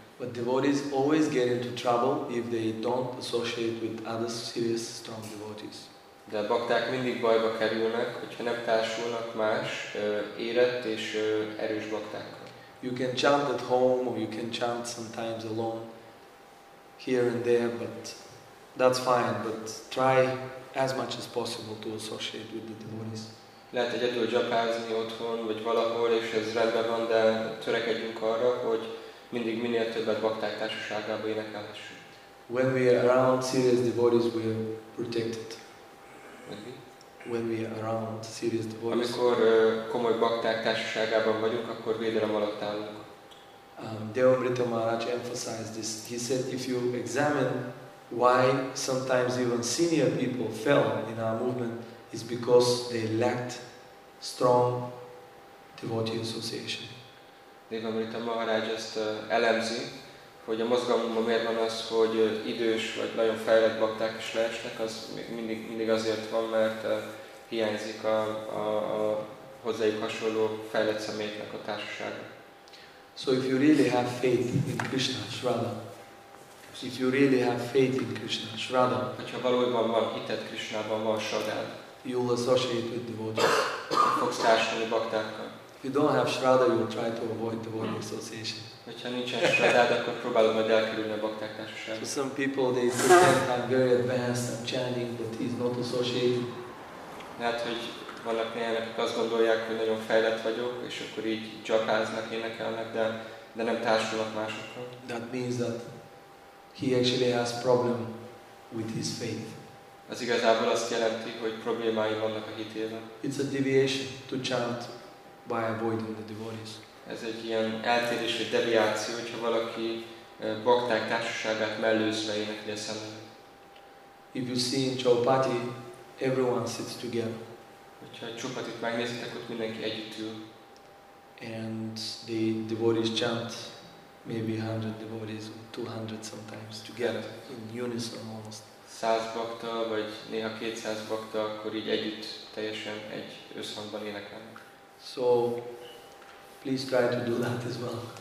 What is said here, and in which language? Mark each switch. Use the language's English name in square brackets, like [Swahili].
[English] But devotees always get into trouble if they don't associate with other serious strong devotees. [Hungarian] De a bakták mindig bajba kerülnek, hogyha nem társulnak más érett és erős baktákkal. [English] You can chant at home or you can chant sometimes alone here and there, but that's fine, but try as much as possible to associate with the devotees. [Hungarian] Lehet egyedül japázni otthon, vagy valahol, és ez rendben van, de törekedjünk arra, hogy mindig minél többet bakták társaságába énekelhessünk. [English] When we are around serious devotees, we are protected. When we are around serious devotees. [Hungarian] Amikor komoly bakták társaságában vagyunk, akkor védelem alatt állunk. [English] Devamrita Maharaj emphasized this. He said, if you examine why sometimes even senior people fell in our movement is because they lacked strong devotee association. [Hungarian] Devamrita Maharaj ezt elemzi, hogy a mozgalomban miért van az, hogy idős vagy nagyon fejlett bakták is leesnek, az mindig azért van, mert hiányzik a hozzájuk hasonló fejlett személyeknek a társasága. [English] So if you really have faith in Krishna, Shraddha, if you really have faith in Krishna, Shraddha, [Hungarian] hogyha valójában van hited Krishnában, van Shraddhád, [English] you'll associate with devotees. [Hungarian] Fogsz társulni baktákkal. [English] If you don't have Shraddha, you'll try to avoid devotee association. [Hungarian] Hogyha nincsen Shraddhád, akkor próbálom majd elkerülni a bakták társaságát. [English] So some people, they think I'm very advanced, I'm chanting, but he's not associated. [Hungarian] Lehet, hogy vannak néhány, akik azt gondolják, hogy nagyon fejlett vagyok, és akkor így japáznak, énekelnek, de nem társulnak másokkal. [English] That means that he actually has problem with his faith. [Hungarian] Ez igazából azt jelenti, hogy problémái vannak a hitében. [English] It's a deviation to chant by avoiding the devotees. [Hungarian] Ez egy ilyen eltérés, egy deviáció, hogyha valaki bakták társaságát mellőzve énekli a szemben. [English] If you see in Chaupati, everyone sits together. [Hungarian] Hogyha Chaupatit megnézitek, ott mindenki együtt ül. [English] And the devotees chant. Maybe 100 devotees, 200 sometimes, together, in unison almost. [Hungarian] 100 bakta, vagy néha 200 bakta, akkor így együtt, teljesen egy összhangban énekelnek. [English] So, please try to do that as well.